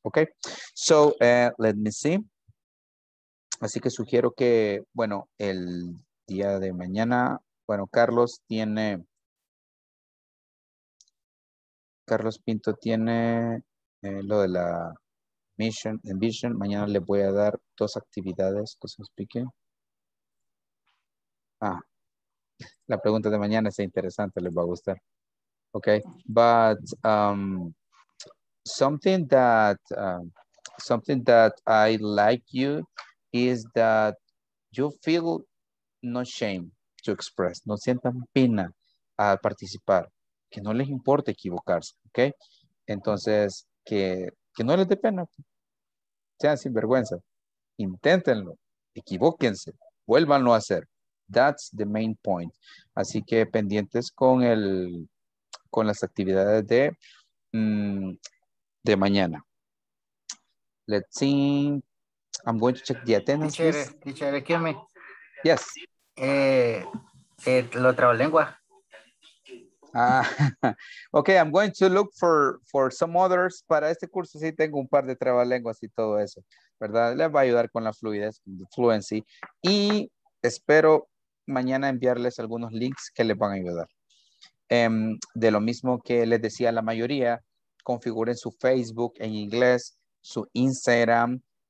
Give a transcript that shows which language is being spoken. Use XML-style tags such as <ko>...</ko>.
<en>Okay, so let me see.</en> <es>Así que sugiero que, bueno, el día de mañana, bueno, Carlos Pinto tiene lo de la mission and vision. Mañana le voy a dar 2 actividades que se explique. Ah, la pregunta de mañana es interesante, les va a gustar.</es> <en>Okay, but something that I like you is that you feel no shame to express.</en> <es>No sientan pena al participar, que no les importe equivocarse, okay? Entonces, que no les dé pena. Sean sinvergüenza. Inténtenlo, equivóquense, vuélvanlo a hacer.</es> <en>That's the main point.</en> <es>Así que pendientes con las actividades de mañana.</es> <en>Let's see. I'm going to check the attendance. Teacher, excuse me. Yes.</en> <es>La otra lengua.</es> <en>Okay, I'm going to look for some others.</en> <es>Para este curso sí tengo un par de trabalenguas y todo eso. ¿Verdad? Les va a ayudar con la fluidez, the fluency. Y espero mañana enviarles algunos links que les van a ayudar. De lo mismo que les decía, la mayoría configuren su Facebook en inglés, su Instagram,</es>